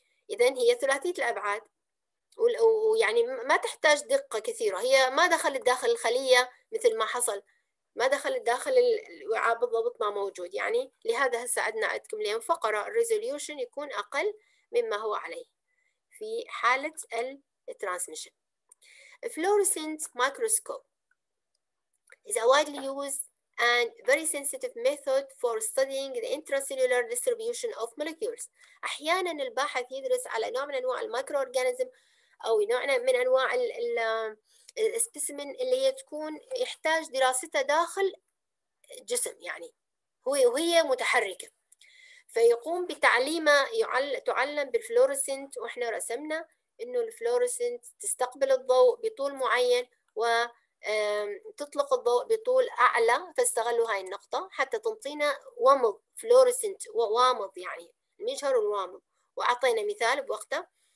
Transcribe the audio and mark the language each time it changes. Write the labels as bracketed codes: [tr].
[ar] اذا هي ثلاثية الابعاد، ويعني ما تحتاج دقة كثيرة، هي ما دخلت داخل الخلية مثل ما حصل، ما دخل داخل الوعاء بالضبط ما موجود، يعني لهذا هسه عدنا عندكم لين فقرة الريزوليوشن يكون أقل مما هو عليه في حالة الترانسميشن. [en] Fluorescent microscope is a widely used and very sensitive method for studying the intracellular distribution of molecules. [ar] أحيانا الباحث يدرس على نوع من أنواع المايكرو أورجانيزم أو نوع من أنواع ال السبيسمين اللي هي تكون يحتاج دراستها داخل جسم، يعني هو وهي متحركة، فيقوم بتعليمها تعلم بالفلورسنت، وإحنا رسمنا إنه الفلورسنت تستقبل الضوء بطول معين وتطلق الضوء بطول أعلى، فاستغلوا هاي النقطة حتى تنطينا ومض فلورسنت ووامض، يعني المجهر الوامض، وأعطينا مثال بوقتها